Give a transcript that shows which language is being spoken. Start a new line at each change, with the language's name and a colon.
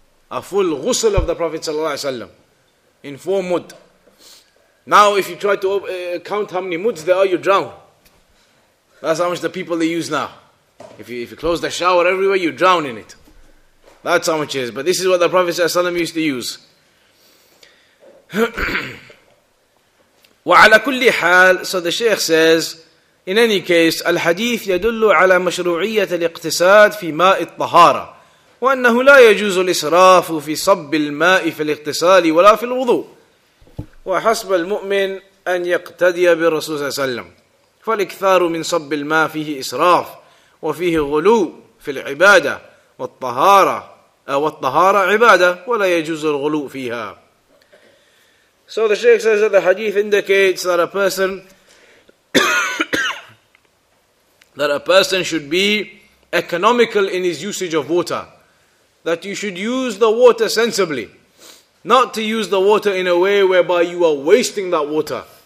English: A full ghusl of the Prophet ﷺ. In four mud. Now if you try to count how many muds there are, you drown. That's how much the people they use now. If you close the shower everywhere, you drown in it. That's how much it is. But this is what the Prophet ﷺ used to use.
Arabic: وعلى كل حال,
English: so the Shaykh says, in any case,
Arabic: الحديث يدل على مشروعية الاقتساد في ماء الطهارة وأنه لا يجوز الإسراف في صب الماء في الاغتسال ولا في الوضوء وحسب المؤمن أن يقتدي بالرسول صلى الله عليه وسلم فالإكثار من صب الماء فيه إسراف وفيه غلو في العبادة والطهارة عبادة ولا يجوز الغلو فيها.
English: So the Shaykh says that the hadith indicates that a person that a person should be economical in his usage of water. That you should use the water sensibly. Not to use the water in a way whereby you are wasting that water.